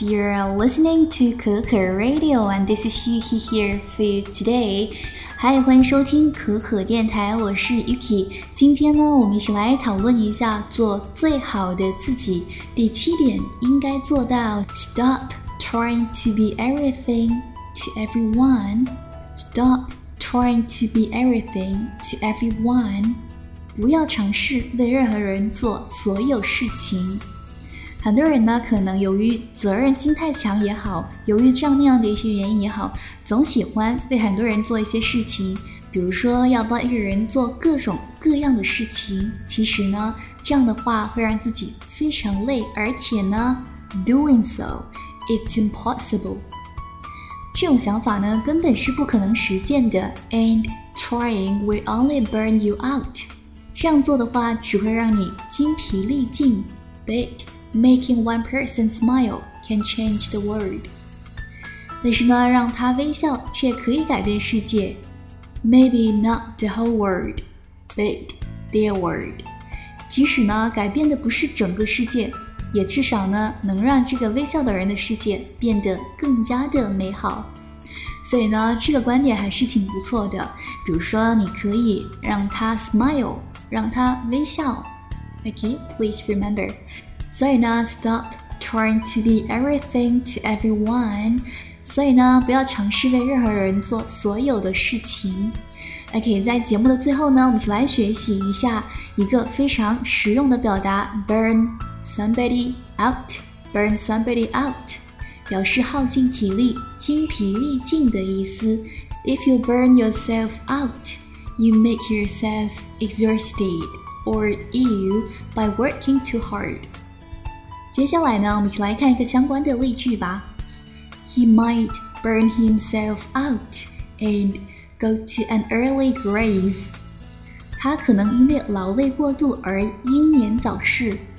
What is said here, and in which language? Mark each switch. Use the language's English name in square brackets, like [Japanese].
[English] You're listening to Keke Radio, and this is Yuki here for you today. [Chinese] Hi, 欢迎收听可可电台，我是 Yuki。今天呢，我们一起来讨论一下做最好的自己。第七点，应该做到 [English] stop trying to be everything to everyone. Stop trying to be everything to everyone. [Chinese] 不要尝试为任何人做所有事情。很多人呢，可能由于责任心太强也好，由于这样那样的一些原因也好，总喜欢为很多人做一些事情，比如说要帮一个人做各种各样的事情。其实呢，这样的话会让自己非常累，而且呢 ， [English] doing so it's impossible。 [Chinese] 这种想法呢，根本是不可能实现的。 [English] And trying will only burn you out。 [Chinese] 这样做的话，只会让你精疲力尽。 [English] Making one person smile can change the world. [Chinese] 但是呢，让他微笑却可以改变世界。 [English] Maybe not the whole world, but their world. [Chinese] 即使呢，改变的不是整个世界，也至少呢，能让这个微笑的人的世界变得更加的美好。所以呢，这个观点还是挺不错的。比如说，你可以让他 smile, 让他微笑。 [English] Okay, please remember. [Chinese] 所以呢 [English] ,stop trying to be everything to everyone. [Chinese] 所以呢不要尝试为任何人做所有的事情。 OK, 在节目的最后呢，我们一起来学习一下一个非常实用的表达 , [English] burn somebody out, burn somebody out, [Chinese] 表示耗尽体力精疲力尽的意思。 [English] If you burn yourself out, you make yourself exhausted, or ill by working too hard. [Chinese] 接下来呢，我们一起来看一个相关的例句吧。 [English] He might burn himself out and go to an early grave. [Chinese] 他可能因为劳累过度而英年早逝。